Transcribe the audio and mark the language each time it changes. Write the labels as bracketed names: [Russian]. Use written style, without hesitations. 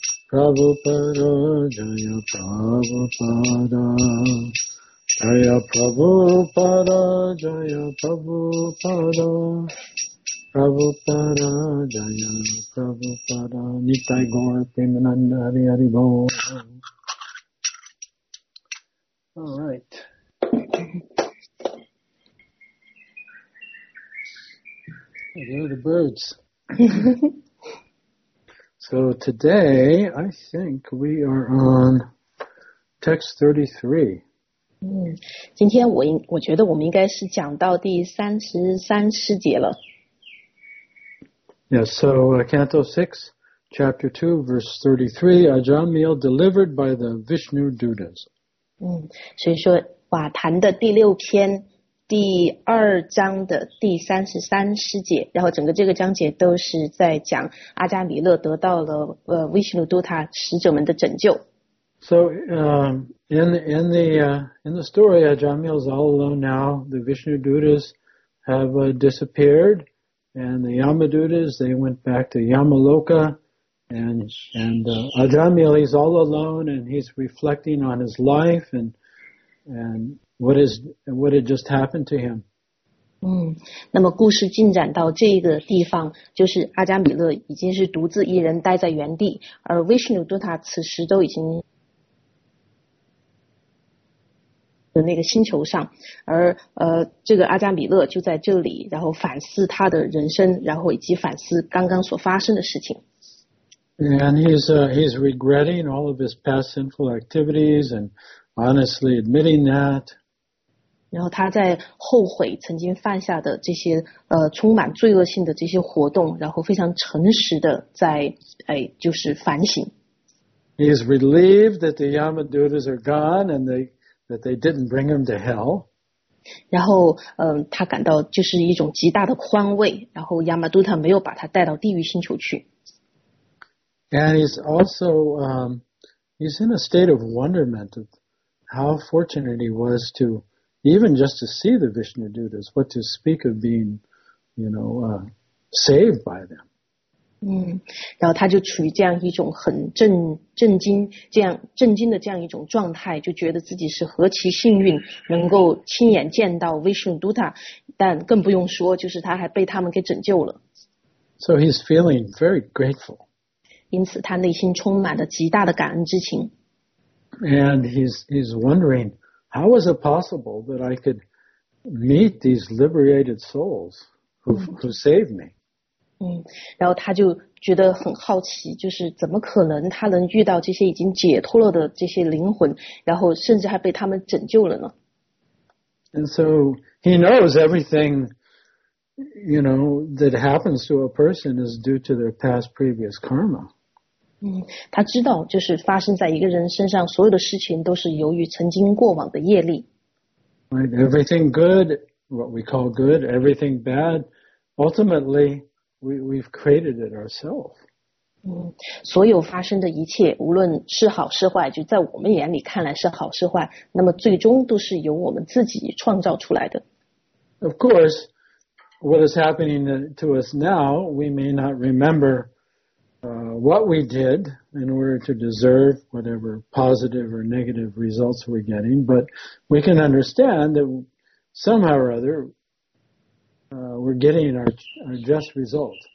[Sanskrit] Prabhupada, Jaya Prabhupada Jaya Prabhupada, Jaya Prabhupada Prabhupada, Jaya Prabhupada Nitai Gaur Premananda Hari Hari Gaur Alright. [English] Where are the birds? So today, I think we are on text 33. [Chinese] 今天我觉得我们应该是讲到第33诗节了。 [English] Yes, so Canto 6, Chapter 2, Verse 33, Ajamila delivered by the Vishnu Dutas. [Chinese] 所以说瓦坛的第六篇第二章的第33诗节，然后整个这个章节都是在讲阿加米勒得到了Vishnu Duta使者们的拯救。 [English] So, in the story, Ajamila is all alone now. The Vishnu Dutas have disappeared, and the Yama Dutas, they went back to Yamaloka, and Ajamila is all alone, and he's reflecting on his life, and what had just happened to him? [Chinese] 那么故事进展到这个地方，就是阿伽米勒已经是独自一人待在原地，而 Vishnu Dutta 此时都已经在那个星球上，而这个阿伽米勒就在这里，然后反思他的人生，然后以及反思刚刚所发生的事情。 [English] And he's regretting all of his past sinful activities and honestly admitting that. [Chinese] 然后他在后悔曾经犯下的这些充满罪恶性的这些活动，然后非常诚实的在就是反省。 [English] He is relieved that the Yamadutas are gone and that they didn't bring him to hell. [Chinese] 然后他感到就是一种极大的宽慰，然后 Yamaduta 没有把他带到地狱星球去。 [English] And he's also, he's in a state of wonderment of how fortunate he was to even just to see the Vishnu Dutas, what to speak of being, you know, saved by them. [Chinese] 然后他就处于这样一种很震惊的这样一种状态，就觉得自己是何其幸运能够亲眼见到 Vishnu Dutta, 但更不用说就是他还被他们给拯救了。 [English] So he's feeling very grateful. [Chinese] 因此他内心充满了极大的感恩之情。 [English] And he's wondering, how was it possible that I could meet these liberated souls who saved me? [Chinese] 然后他就觉得很好奇，就是怎么可能他能遇到这些已经解脱了的这些灵魂，然后甚至还被他们拯救了呢？ [English] And so he knows everything, you know, that happens to a person is due to their past previous karma. [Chinese] 他知道就是发生在一个人身上所有的事情都是由于曾经过往的业力。 [English] Right, everything good, what we call good, everything bad, ultimately, we've created it ourselves. [Chinese] 所有发生的一切无论是好是坏，就在我们眼里看来是好是坏，那么最终都是由我们自己创造出来的。 [English] Of course, what is happening to us now, we may not remember,what we did in order to deserve whatever positive or negative results we're getting, but we can understand that somehow or other, we're getting our just result.